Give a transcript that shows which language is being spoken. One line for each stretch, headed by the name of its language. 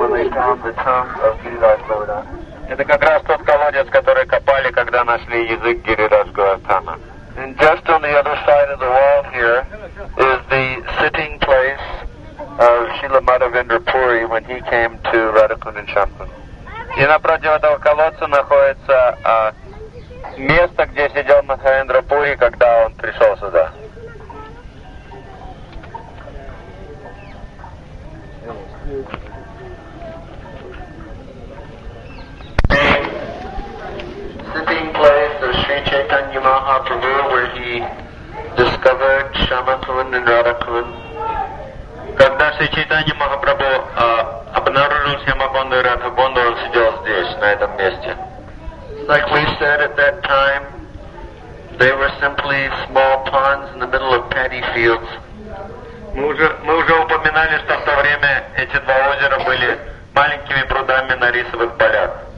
Russian: Это как раз тот колодец, который копали, когда нашли язык Гирирадж Гаутама.
English: And just on the other side of the wall here is the sitting place of Srila Madhavendra Puri when he came to Radhakunda Champan.
Russian: И напротив этого колодца находится место, где сидел Мадхавендра Пури, когда он пришел сюда.
English: Sitting place of Sri Chaitanya Mahaprabhu where he discovered Shyamakund and Radhakund.
Russian: Когда Шри Чайтанья Махапрабху обнаружил Шьямаконду и Радхакунду, он сидел здесь, на этом месте.
English: Like we said at that time, they were simply small ponds in the middle of paddy fields.
Russian: Мы уже упоминали, что в то время эти два озера были маленькими прудами на рисовых полях.